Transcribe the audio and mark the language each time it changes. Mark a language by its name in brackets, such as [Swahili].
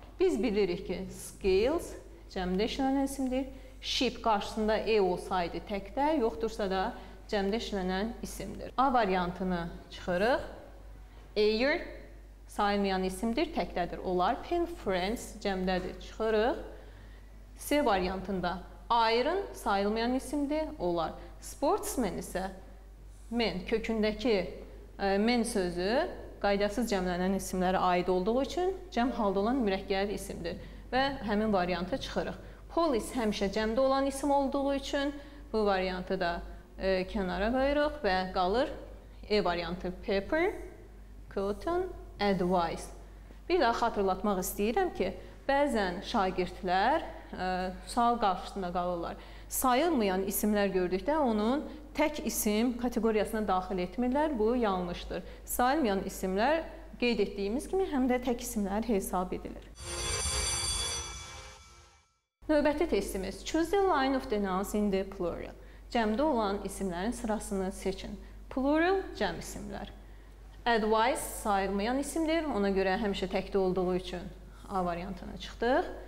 [Azerbaijani] Biz bilirik ki, scales cəmdə işlənən isimdir. Ship qarşısında e olsaydı təkdə, yoxdursa da cəmdə işlənən isimdir. A variantını çıxırıq. Air sayılmayan isimdir, təkdədir. Olar, pen, friends, cəmdədir. Çıxırıq. C variantında iron sayılmayan isimdir, olar. Sportsman isə men, kökündəki men sözü qaydasız cəmlənən isimlərə aid olduğu üçün cəm halda olan mürəkkəb isimdir. Və həmin variantı çıxırıq. Polis həmişə cəmdə olan isim olduğu üçün bu variantı da kənara qoyuruq və qalır E variantı paper, cotton, advice. Bir daha xatırlatmaq istəyirəm ki, bəzən şagirdlər sual qarşısında qalırlar. Sayılmayan isimlər gördükdə onun tək isim kateqoriyasına daxil etmirlər. Bu, yanlışdır. Sayılmayan isimlər qeyd etdiyimiz kimi həm də tək isimlər hesab edilir. Növbəti testimiz. [English] Choose the line of the nouns in the plural. [Azerbaijani] Cəmdə olan isimlərin sırasını seçin. Plural cəm isimlər. Advice sayılmayan isimdir. Ona görə həmişə təkdə olduğu üçün A variantına çıxdıq.